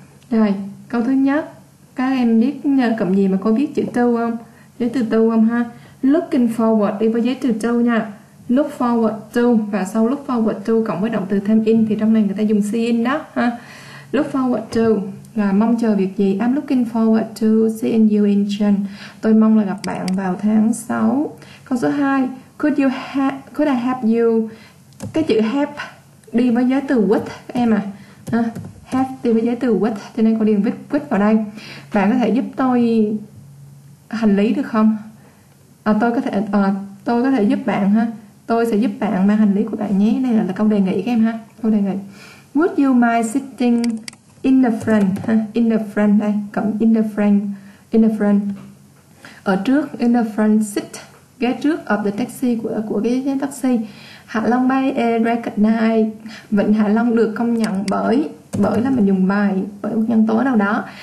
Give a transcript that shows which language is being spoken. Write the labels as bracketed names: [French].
[Vietnamese] Rồi, câu thứ nhất, các em biết cụm gì mà cô biết chữ to không? Giới từ to không ha? Looking forward đi với giới từ to nha. [English] Look forward to, [Vietnamese] và sau look forward to cộng với động từ thêm in thì trong này người ta dùng seeing đó ha. Look forward to là mong chờ việc gì? [English] I'm looking forward to seeing you in June. [Vietnamese] Tôi mong là gặp bạn vào tháng 6. Câu số 2, [English] could I help you? [Vietnamese] Cái chữ help đi với giới từ with em à. Ha. Help đi với giới từ with cho nên cô điền with vào đây. Bạn có thể giúp tôi hành lý được không? Tôi có thể giúp bạn ha. Tôi sẽ giúp bạn mang hành lý của bạn nhé. Đây là câu đề nghị các em ha. Câu đề nghị. [English] Would you mind sitting in the front ha? In the front [Vietnamese] đây, cộng [English] in the front. [Vietnamese] Ở trước, [English] in the front seat, [Vietnamese] ghế trước [English] of the taxi [Vietnamese] của cái taxi. [English] Hạ Long Bay recognize. [Vietnamese] Vịnh Hạ Long được công nhận bởi bởi là mình dùng bài bởi một nhân tố nào đó.